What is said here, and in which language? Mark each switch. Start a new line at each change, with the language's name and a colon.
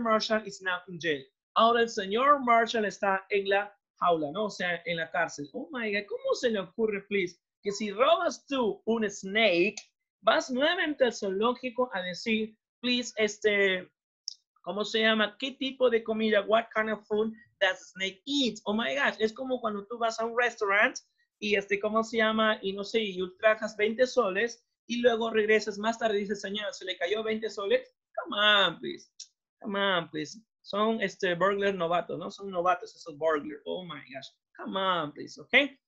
English: Marshall is now in jail.
Spanish: Ahora el señor Marshall está en la jaula, ¿no? O sea, en la cárcel.
English: Oh my God,
Spanish: ¿cómo se le ocurre, please? Que si robas tú un snake, vas nuevamente al zoológico a decir, please, este, ¿cómo se llama? ¿Qué tipo de comida?
English: What kind of food does a snake eat? Oh my gosh,
Spanish: es como cuando tú vas a un restaurant y este, ¿cómo se llama? Y no sé, y ultrajas 20 soles y luego regresas más tarde y dices, señor, ¿se le cayó 20 soles?
English: Come on, please. Come on, please.
Spanish: Son este burglar novatos, ¿no? Son novatos esos burglar.
English: Oh my gosh. Come on, please. Okay?